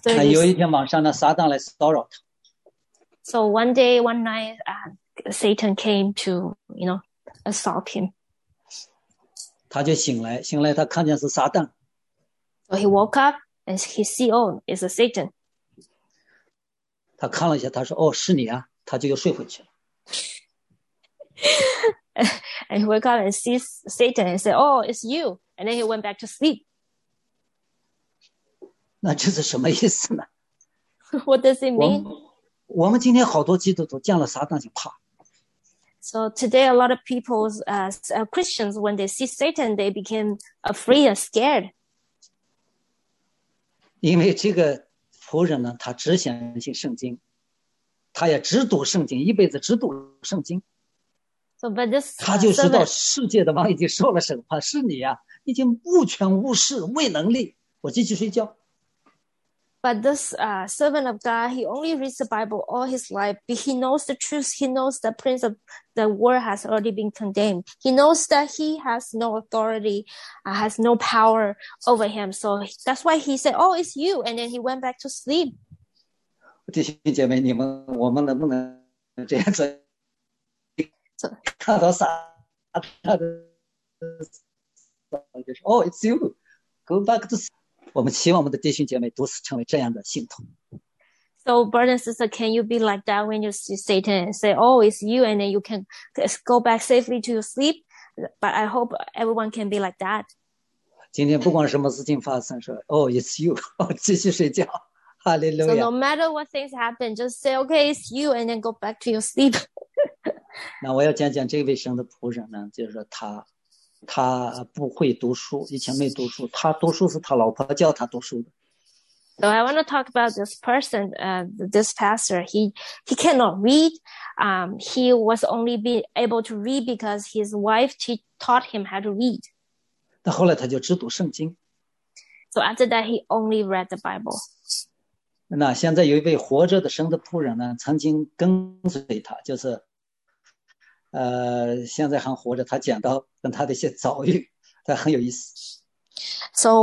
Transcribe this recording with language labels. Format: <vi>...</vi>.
<zh>有一天晚上呢，撒旦来骚扰他。</zh> <en>So one day, one night, Satan came to, you know, assault him.</en> <zh>他就醒来他看见是撒旦。</zh> <en>So he woke up and he see, oh, it's a Satan.</en> <zh>他看了一下，他说，哦，是你啊，他就又睡回去了。</zh> <en>And he woke up and sees Satan and said, oh, it's you. And then he went back to sleep.</en> <zh>那这是什么意思呢？</zh> <en>What does it mean?</en> <zh>我们今天好多基督徒见了撒旦就怕。</zh> <en>So today a lot of people, Christians, when they see Satan, they became afraid and scared.</en> <zh>因为这个仆人呢，他只相信圣经，他也只读圣经，一辈子只读圣经。</zh> <en>So but this</en> <zh>他就知道世界的王已经受了审判，是你呀、啊，已经无权无势无能力，我继续睡觉。</zh> <en>But this servant of God, he only reads the Bible all his life. But he knows the truth. He knows the prince of the world has already been condemned. He knows that he has no authority, has no power over him. So that's why he said, oh, it's you. And then he went back to sleep.</en> <zh>弟兄姐妹，你们，我们能不能这样子？看到撒旦的，就说</zh> <en>oh, it's you. Go back to sleep.</en> <zh>我们希望我们的弟兄姐妹都是成为这样的信徒。</zh> <en>So, brother and sister, can you be like that when you see Satan and say, oh, it's you, and then you can go back safely to your sleep? But I hope everyone can be like that.</en> <zh>今天不管什么事情发生，说</zh> <en>oh, it's you,</en> <zh>继续睡觉，哈利路亚。</zh> <en>So no matter what things happen, just say, okay, it's you, and then go back to your sleep.</en> <zh>那我要讲讲这位神的仆人呢，就是他。他不会读书，以前没读书。他读书是他老婆教他读书的。</zh> <en>So I want to talk about this person, this pastor. He cannot read. He was only able to read because his wife taught him how to read.</en> <zh>但后来他就只读圣经。</zh> <en>So after that, he only read the Bible.</en> <zh>那现在有一位活着的神的仆人呢，曾经跟随他，就是。现在还活着，他讲到跟他的一些遭遇，他很有意思。So</zh>